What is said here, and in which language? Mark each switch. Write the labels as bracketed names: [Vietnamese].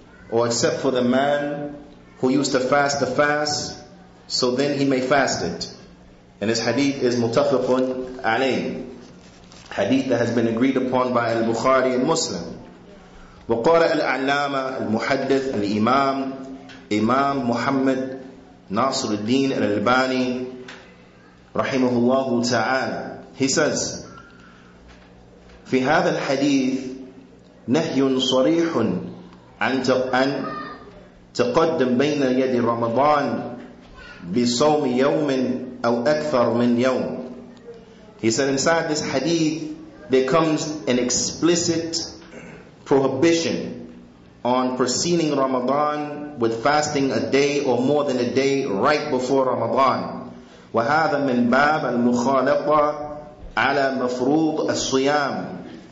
[English] Except for the man who used to fast the fast, so then he may fast it. And this hadith is mutafiqun alayh. Hadith that has been agreed upon by Al-Bukhari and Muslim. [Arabic] وقال العلامة المحدث الإمام إمام محمد ناصر الدين الألباني رحمه الله تعالى. [English] He says [Arabic] في هذا الحديث نهي صريح عن تقدم بين يدي رمضان بصوم يوم أو أكثر من يوم. [English] He said inside this hadith there comes an explicit prohibition on preceding Ramadan with fasting a day or more than a day right before Ramadan. [Arabic] وَهَذَا مِنْ بَابَ الْمُخَالَقَةَ عَلَى مَفْرُوضَ الصِّيَامِ.